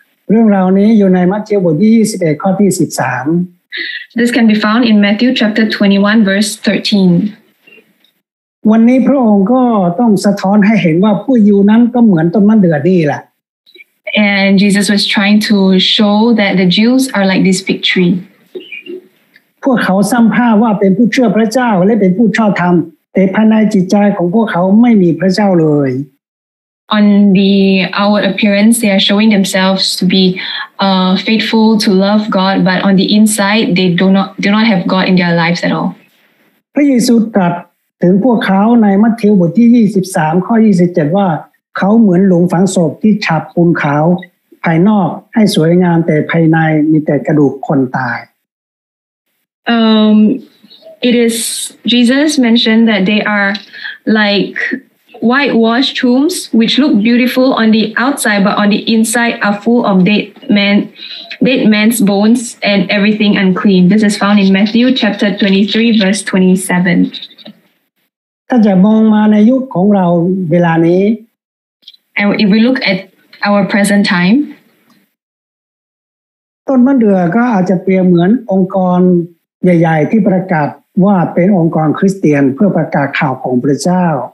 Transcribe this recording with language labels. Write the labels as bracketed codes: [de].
[th] เรื่องราวนี้อยู่ในมัทธิวบทที่21ข้อที่13 [en] This can be found in Matthew chapter 21 verse 13 [th] วันนี้พระองค์ก็ต้องสะท้อนให้เห็นว่าผู้อยู่นั้นก็เหมือนต้นมะเดื่อนี่แหละ [en] And Jesus was trying to show that the Jews are like this fig tree [th] พวกเขาซ้ำภาพว่าเป็นผู้เชื่อพระเจ้าและเป็นผู้ชอบธรรมแต่ภายในจิตใจของพวกเขาไม่มีพระเจ้าเลย [en] On the outward appearance they are showing themselves to be faithful to love God but on the inside they do not have God in their lives at all [th] พระเยซูตรัสถึงพวกเขาในมัทธิวบทที่23ข้อ27ว่าเขาเหมือนหลุมฝังศพที่ฉาบปูนขาวภายนอกให้สวยงามแต่ภายในมีแต่กระดูกคนตาย [en] It is Jesus mentioned that they are like whitewashed tombs, which look beautiful on the outside, but on the inside are full of dead men's bones and everything unclean. This is found in Matthew chapter 23, verse 27. [th] ถ้าจะมองมาในยุคของเราเวลานี้ [en] And if we look at our present time, [th] ต้นมะเดื่อก็อาจจะเปรียบเหมือนองค์กรใหญ่ๆที่ประกาศว่าเป็นองค์กรคริสเตียนเพื่อประกาศข่าวของพระเจ้า